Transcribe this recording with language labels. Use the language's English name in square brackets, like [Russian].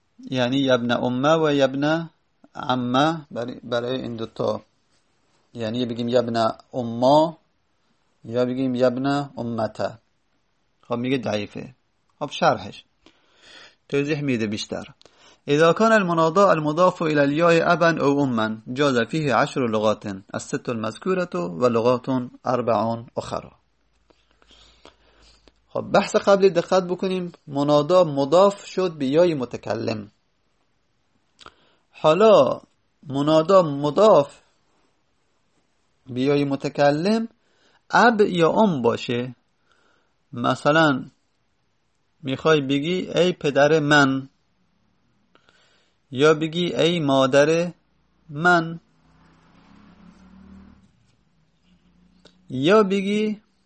[Persian] یعنی یبن امه و یبن عمه برای این دو تا، یعنی بگیم یبن امه یا بگیم یبن امته. خب میگه ضعیفه. خب شرحش توضیح میده بیشتر. [Arabic] اذا كان المناضاء المضاف الى الياء ابا او اما جاز فيه عشر لغات، الست المذكوره ولغات اربع اخرى. [Persian] خب بحث قبلی دقت بکنیم، منادا مضاف شد به یای متکلم. حالا منادا مضاف به یای متکلم اب یا ام باشه، مثلا میخوای بگی ای پدر من، یا بگی ای مادر من، یا بگی